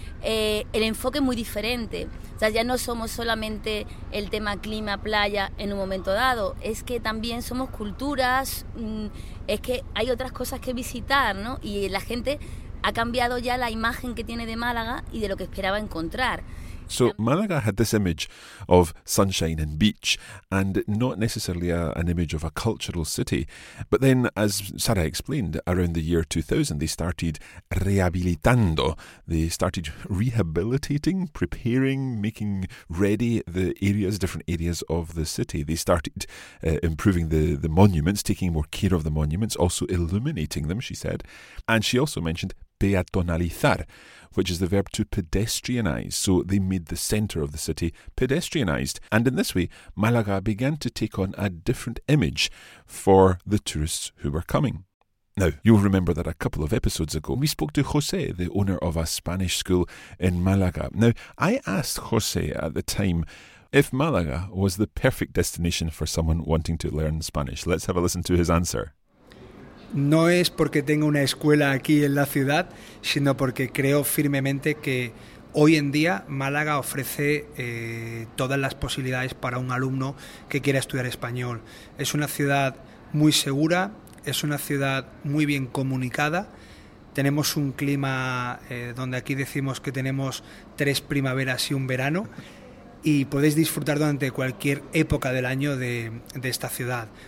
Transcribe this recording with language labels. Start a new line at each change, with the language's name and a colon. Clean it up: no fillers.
Spanish: El enfoque es muy diferente, o sea, ya no somos solamente el tema clima, playa en un momento dado, es que también somos culturas, es que hay otras cosas que visitar, ¿no? Y la gente ha cambiado ya la imagen que tiene de Málaga y de lo que esperaba encontrar.
English: So Málaga had this image of sunshine and beach and not necessarily an image of a cultural city. But then, as Sara explained, around the year 2000, they started rehabilitando. They started rehabilitating, preparing, making ready the areas, different areas of the city. They started improving the monuments, taking more care of the monuments, also illuminating them, she said. And she also mentioned peatonalizar, which is the verb to pedestrianize. So they made the centre of the city pedestrianized. And in this way, Málaga began to take on a different image for the tourists who were coming. Now, you'll remember that a couple of episodes ago, we spoke to José, the owner of a Spanish school in Málaga. Now, I asked José at the time if Málaga was the perfect destination for someone wanting to learn Spanish. Let's have a listen to his answer.
Spanish: No es porque tenga una escuela aquí en la ciudad, sino porque creo firmemente que hoy en día Málaga ofrece todas las posibilidades para un alumno que quiera estudiar español. Es una ciudad muy segura, es una ciudad muy bien comunicada, tenemos un clima donde aquí decimos que tenemos tres primaveras y un verano, y podéis disfrutar durante cualquier época del año de esta ciudad.